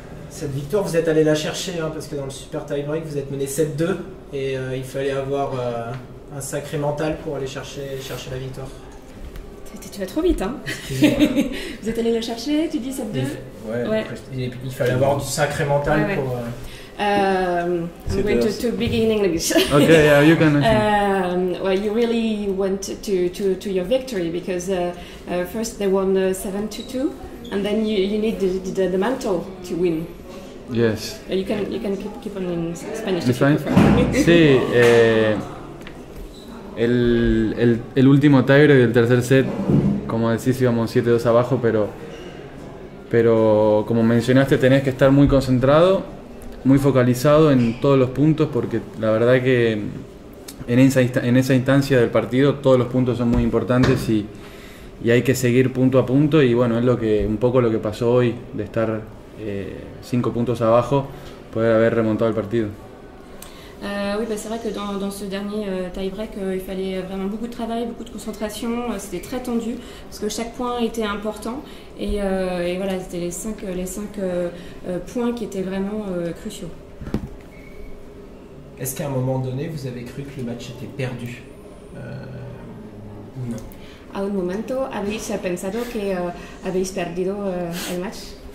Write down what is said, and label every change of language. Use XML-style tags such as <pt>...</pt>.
<fr>Cette victoire, vous êtes allé la chercher, hein, parce que dans le super tiebreak, vous êtes mené 7-2 et il fallait avoir un sacré mental pour aller chercher la victoire. Tu vas trop vite, hein. Vous êtes allé la chercher, tu dis 7-2. Ouais. Il fallait avoir du sacré mental pour.</fr> <en>I'm going to begin English. Okay, yeah, you can. Well, you really went to your victory because first they won 7-2, and then you need the mantle to win. Yes. You can keep on in Spanish. It's fine. Sí.</en> <es>El último tiebreak del tercer set, como decís, íbamos 7-2 abajo, pero como mencionaste, tenés que estar muy concentrado. Muy focalizado en todos los puntos, porque la verdad que en esa instancia del partido todos los puntos son muy importantes y hay que seguir punto a punto, y bueno, es un poco lo que pasó hoy, de estar 5 puntos abajo, poder haber remontado el partido.</es> <fr>Oui, bah, c'est vrai que dans ce dernier tie-break, il fallait vraiment beaucoup de travail, beaucoup de concentration. C'était très tendu parce que chaque point était important. Et voilà, c'était les cinq points qui étaient vraiment cruciaux. Est-ce qu'à un moment donné, vous avez cru que le match était perdu ou non?</fr> <es>A un momento, habéis pensado que habéis perdido el match?</es>